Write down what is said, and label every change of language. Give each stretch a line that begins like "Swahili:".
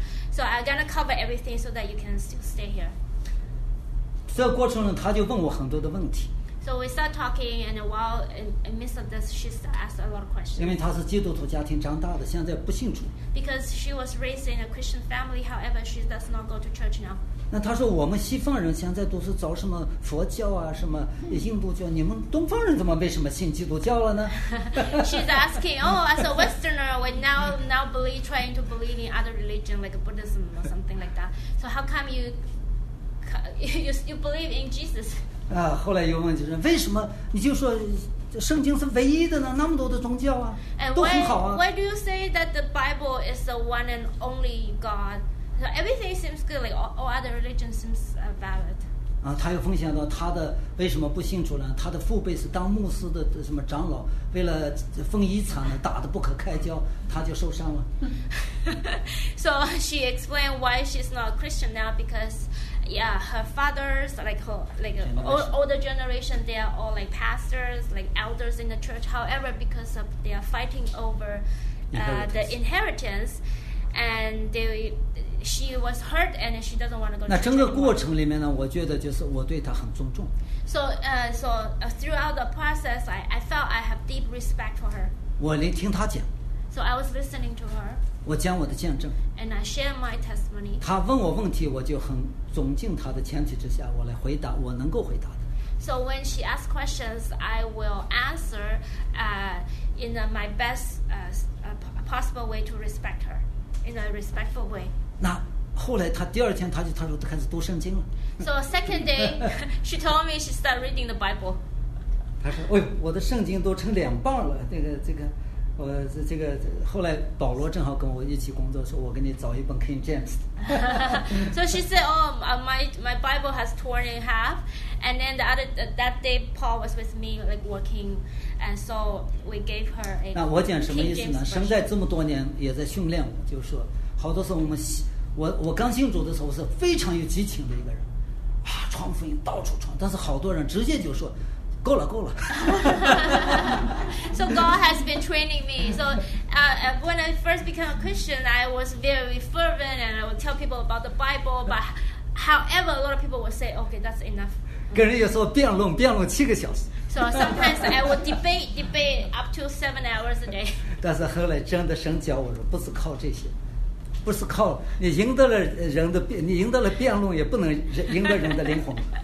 English: So I'm gonna cover everything so that you can still stay here.
Chinese: 这过程中，他就问我很多的问题。
English: So we start talking, and while in midst of this, she asked a lot of questions.
Chinese: 因为她是基督徒家庭长大的，现在不信主。
English: Because she was raised in a Christian family, however, she does not go to church now.
Chinese: 那她说，我们西方人现在都是找什么佛教啊，什么印度教，你们东方人怎么为什么信基督教了呢
English: ？She's asking, oh, as a Westerner, we now believe trying to believe in other religion like Buddhism or something like that. So how come you believe in Jesus?
Chinese: 后来又问就是为什么？你就说圣经是唯一的呢？那么多的宗教啊，
English: and、
Chinese: 都很好啊。
English: Why do you say that the Bible is the one and only God? So everything seems good, like all other religions seems valid.
Chinese: 他又分享到他的为什么不信主呢？他的父辈是当牧师的什么长老，为了分遗产呢，打得不可开交，他就受伤了。
English: So she explained why she's not a Christian now because. Yeah, her fathers, older generation, they are all like pastors, like elders in the church. However, because of they are fighting over the inheritance, and she was hurt and she doesn't want to go.
Chinese: 那整个过程里面呢，我觉得就是我对她很尊重。
English: So throughout the process, I felt I have deep respect for her.
Chinese: 我聆听她讲。
English: So I was listening to her.
Chinese: 我讲我的见证。
English: And I share my testimony.
Chinese: 她问我问题，我就很尊敬她的前提之下，我来回答我能够回答的。
English: So when she asks questions, I will answer in my best possible way to respect her, in a respectful way.
Chinese: 那后来她第二天，她说她开始读圣经了。
English: So second day, she told me she started reading the Bible.
Chinese: 她说：“哎，我的圣经都成两半了，这个。” 我这个后来保罗正好跟我一起工作，说我给你找一本 King James。
English: So she said, "Oh, my Bible has torn in half." And then the other that day, Paul was with me like working, and so we gave her a King James.
Chinese: 那我讲什么意思呢？生在这么多年，也在训练我，就是说，好多时候我刚信主的时候是非常有激情的一个人，啊，传福音到处传，但是好多人直接就说。够了，够了。
English: So God has been training me. So when I first became a Christian, I was very fervent and I would tell people about the Bible. But however, a lot of people would say, "Okay, that's enough."
Chinese: 跟人有时候辩论七个小时。
English: So sometimes I would debate up to 7 hours a day.
Chinese: 但是后来真的神教我说，不是靠这些。不是靠你赢得了人的辩，你赢得了辩论，也不能赢得人的灵魂。